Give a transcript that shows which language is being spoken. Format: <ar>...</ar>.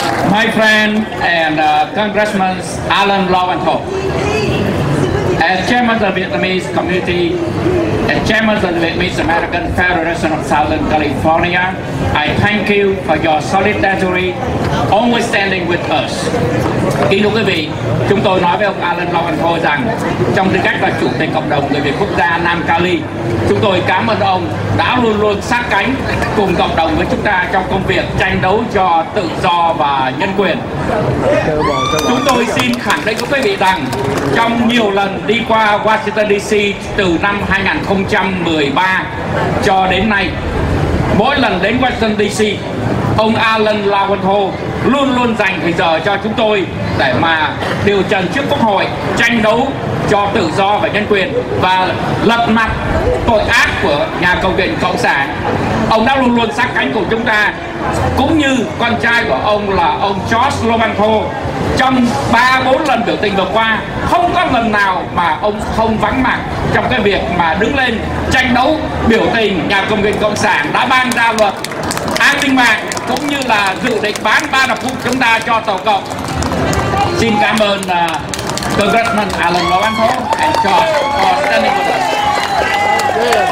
<en>My friend and Congressman Alan Roenthal. As chairman of the Vietnamese community, as chairman of the Vietnamese American Federation of Southern California, I thank you for your solidarity, always standing with us.</en> <vi>Kính thưa quý vị, chúng tôi nói với ông Alan Roenthal rằng, trong tư cách là chủ tịch cộng đồng người Việt quốc gia Nam Cali, chúng tôi cảm ơn ông đã luôn luôn sát cánh cùng cộng đồng với chúng ta trong công việc tranh đấu cho tự do và nhân quyền. Chúng tôi xin khẳng định với quý vị rằng, trong nhiều lần đi qua Washington DC từ năm 2013 cho đến nay, mỗi lần đến Washington DC, ông Alan Roenthal luôn luôn dành thời giờ cho chúng tôi để mà điều trần trước Quốc hội, tranh đấu cho tự do và nhân quyền và lật mặt tội ác của nhà cầm quyền cộng sản. Ông đã luôn luôn sát cánh cùng chúng ta, cũng như con trai của ông là ông George Roenthal. Trong 3-4 lần biểu tình vừa qua, không có lần nào mà ông không vắng mặt trong cái việc mà đứng lên tranh đấu biểu tình nhà cầm quyền cộng sản đã ban ra luật an ninh mạng, cũng như là dự định bán 3 độc quốc chúng ta cho tổ cộng. Xin cảm ơn</vi> <en>Congressman Alan Roenthal and George for standing with us.</en>